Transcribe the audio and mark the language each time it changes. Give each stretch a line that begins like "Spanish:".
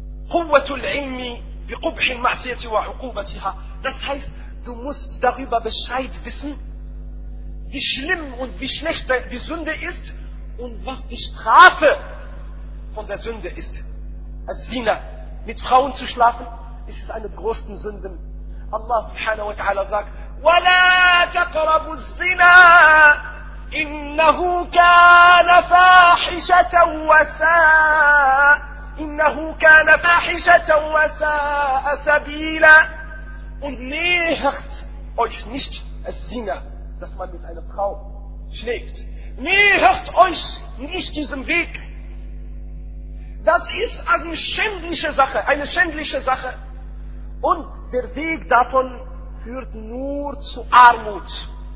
Arabic: Quwwatul ilmi biqubhi al-ma'siyati wa 'uqubatiha.
German: Das heißt, du musst darüber Bescheid wissen, wie schlimm und wie schlecht die Sünde ist und was die Strafe von der Sünde ist. Az-Zina, mit Frauen zu schlafen, ist eine der großen Sünden.
Arabic: Allah subhanahu wa ta'ala
German: sagt,
Arabic: وَلَا تَقْرَبُوا الزِّنَا إِنَّهُ كَانَ فَاحِشَةً وَسَاءَ سَبِيلًا.
German: Und nähert euch nicht Az-Zina, dass man mit einer Frau schläft. Nähert euch nicht diesem Weg. Das ist eine schändliche Sache, Und der Weg davon führt nur zu Armut.